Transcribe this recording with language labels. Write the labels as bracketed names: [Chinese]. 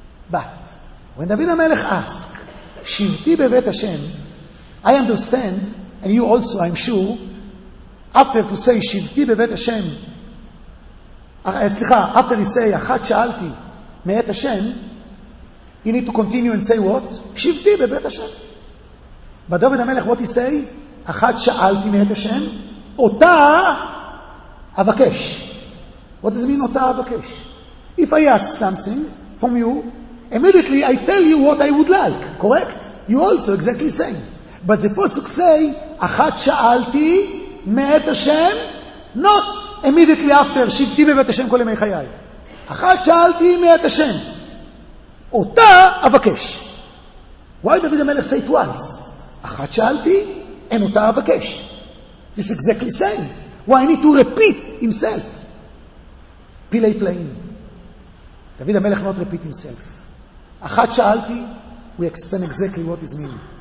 [English] But, when David HaMelech ask, Shivti bevet Hashem, I understand, and you also, I'm sure, after to say [Hebrew] שבתי בבית השם, סליחה, [English] after to say [Hebrew] אחת שאלתי מעת השם, [English] you need to continue and say what? [Hebrew] שבתי בבית השם. בדוד המלך, [English] what he say? [Hebrew] אחת שאלתי מעת השם, אותה אבקש. [English] What does mean [Hebrew] אותה אבקש? [English] If I ask something from you, immediately I tell you what I would like, correct? You also exactly say. But the [Hebrew] פסוק [English] say, [Hebrew] אחת שאלתי מעת השם, [English] not immediately after, [Hebrew] שבתי בבית השם כל ימי חיי. אחת שאלתי מעת השם, אותה אבקש. [English] Why David HaMelech say twice? [Hebrew] אחת שאלתי, אין אותה אבקש. [English] This exactly same. Why I need to repeat himself? פילי פלאים. דוד המלך not repeat himself. [Hebrew] אחת שאלתי, [English] we explain exactly what is meaning.